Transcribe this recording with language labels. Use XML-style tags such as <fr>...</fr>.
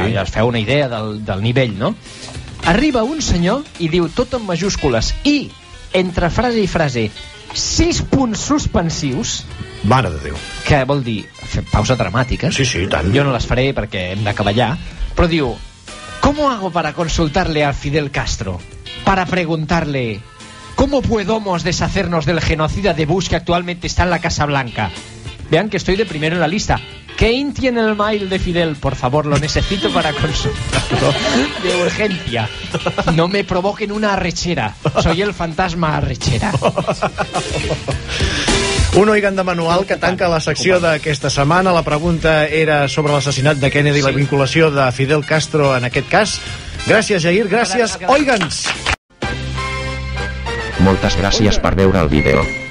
<ca>Ja es feu una idea del nivell, no? Arriba un senyor i diu, tot en majúscules, i entre frase i frase, 6 punts suspensius... Mare de Déu. Que vol dir fer pausa dramàtica. Sí, tant. Jo no les faré perquè hem d'acabar allà. Però diu...</ca> <es>¿cómo hago para consultarle a Fidel Castro? Para preguntarle, ¿cómo podemos deshacernos del genocida de Bush que actualmente está en la Casa Blanca? Vean que estoy de primero en la lista. Kane tiene el mail de Fidel, por favor, lo necesito para consultarlo. De urgencia. No me provoquen una arrechera. Soy el fantasma arrechera.</es> <ca>Un oigan de manual que tanca la secció d'aquesta setmana. La pregunta era sobre l'assassinat de Kennedy i la vinculació de Fidel Castro en aquest cas. Gràcies, Jair. Gràcies, oigans. Moltes gràcies per veure el vídeo.</ca>